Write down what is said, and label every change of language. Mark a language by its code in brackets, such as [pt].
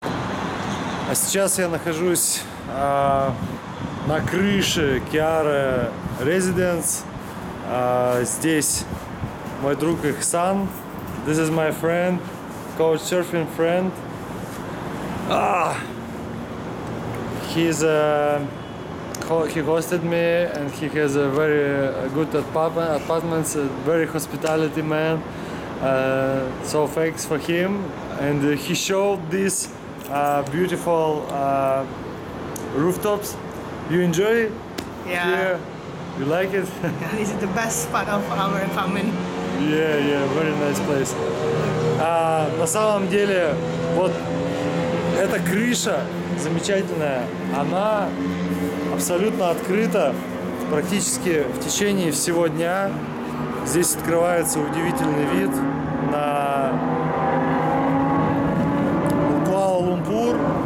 [ru] А сейчас я нахожусь на крыше Киара Резиденс. Здесь мой друг Ихсан. [en] This is my friend, Couchsurfing friend. He's a he hosted me and he has a very good apartments, a very hospitality man. So thanks for him. And he showed this beautiful rooftops. You enjoy it? Yeah. Here? You like it? Yeah, this is the best spot of our apartment. Yeah, yeah, very nice place. [ru] На самом деле, вот эта крыша замечательная. Она абсолютно открыта практически в течение всего дня. Здесь открывается удивительный вид на Куала-Лумпур.